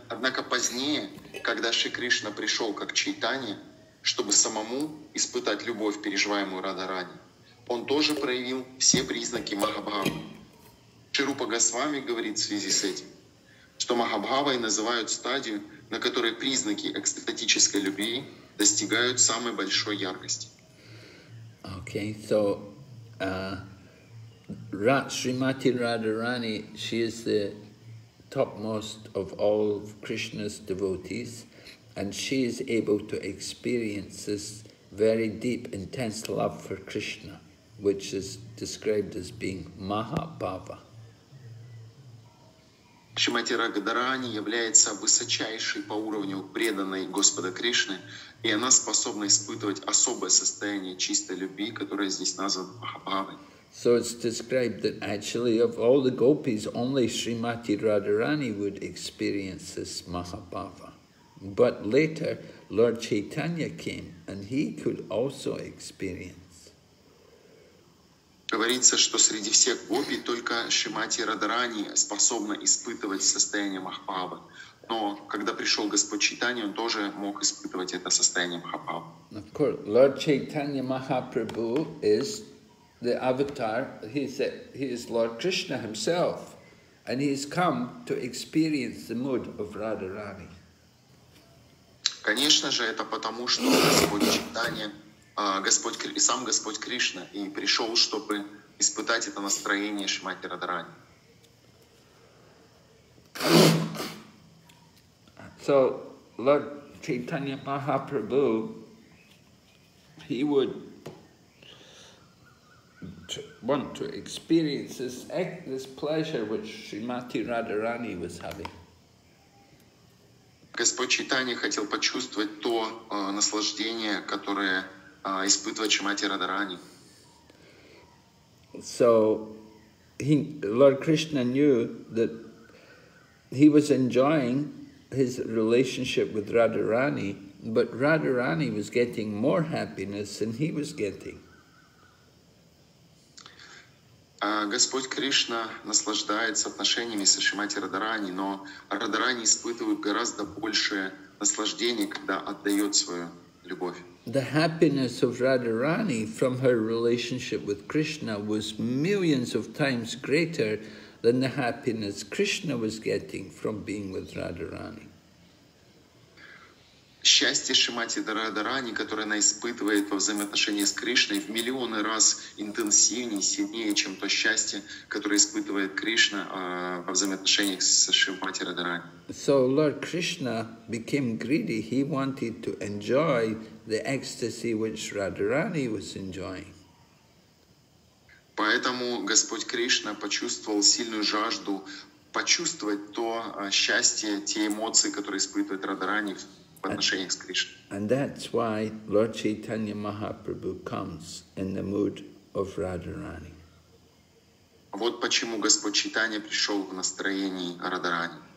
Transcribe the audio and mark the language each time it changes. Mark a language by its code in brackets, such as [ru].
[ru] Однако позднее, когда Шри Кришна пришел как Чайтанья, чтобы самому испытать любовь, переживаемую Радхарани, он тоже проявил все признаки Махабхавы. Шрупа Госвами говорит в связи с этим, что Махабхавой называют стадию, на которой признаки экстатической любви достигают самой большой яркости. [en] Okay, so Srimati Radharani, she is the topmost of all of Krishna's devotees, and she is able to experience this very deep, intense love for Krishna, which is described as being Mahabhava. [ru] Шримати Радхарани является высочайшей по уровню преданной Господа Кришны, и она способна испытывать особое состояние чистой любви, которое здесь названо Махабхавой. [en] So it's described that actually of all the gopis, only Shrimati Radharani would experience this Mahabhava. But later, Lord Chaitanya came, and he could also experience. [ru] Говорится, что среди всех гопи только Шримати Радхарани способна испытывать состояние Махабхавы. Но когда пришел Господь Чайтанья, он тоже мог испытывать это состояние Махабхавы. [en] Of course, Lord Chaitanya Mahaprabhu is the avatar. He is Lord Krishna himself, and he has come to experience the mood of Radharani. [ru] Конечно же, это потому, что Господь Чайтанья сам Господь Кришна и пришел, чтобы испытать это настроение Шримати Радхарани. [en] So Lord Chaitanya Mahaprabhu, he would want to experience this pleasure which Shrimati Radharani was having. [ru] Господь Чайтанья хотел почувствовать то наслаждение, которое испытывать Шримати Радхарани. [en] So Lord Krishna knew that he was enjoying his relationship with Radharani, but Radharani was getting more happiness than he was getting. [ru] Господь Кришна наслаждается отношениями со Шримати Радхарани, но Радхарани испытывает гораздо большее наслаждение, когда отдает свою любовь. [en] The happiness of Radharani from her relationship with Krishna was millions of times greater than the happiness Krishna was getting from being with Radharani. [ru] Счастье Шримати Радхарани, которое она испытывает во взаимоотношении с Кришной, в миллионы раз интенсивнее, сильнее, чем то счастье, которое испытывает Кришна во взаимоотношениях со Шримати Радхарани. [en] So Lord Krishna became greedy. He wanted to enjoy the ecstasy which Radharani was enjoying. [ru] Поэтому Господь Кришна почувствовал сильную жажду почувствовать то счастье, те эмоции, которые испытывает Радхарани [en] And that's why Lord Chaitanya Mahaprabhu comes in the mood of Radharani. [ru] Вот почему Господь Чайтанья пришел в настроении Радхарани.